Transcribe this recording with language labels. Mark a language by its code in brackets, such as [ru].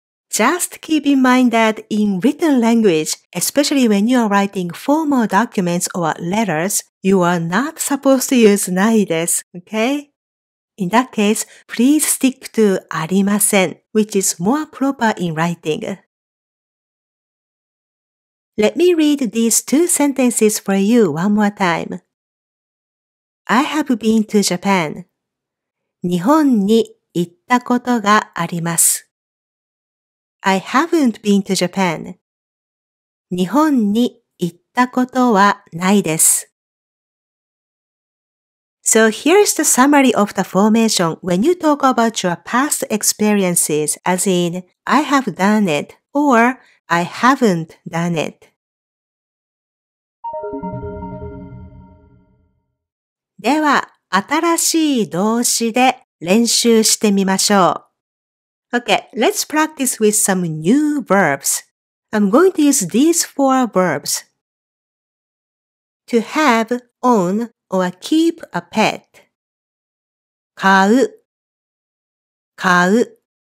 [en] Just keep in mind that in written language, especially when you are writing formal documents or letters, you are not supposed to use ないです, okay? In that case, please stick to ありません, which is more proper in writing. Let me read these two sentences for you one more time. I have been to Japan. [ja] 日本に行ったことがあります。 [en] I haven't been to Japan. [ja] 日本に行ったことはないです。 [en] So here's the summary of the formation when you talk about your past experiences, as in, I have done it or I haven't done it. [ja] では、新しい動詞で練習してみましょう。 [en] Okay, let's practice with some new verbs. I'm going to use these four verbs. to have, own, or keep a pet. [ja] 買う。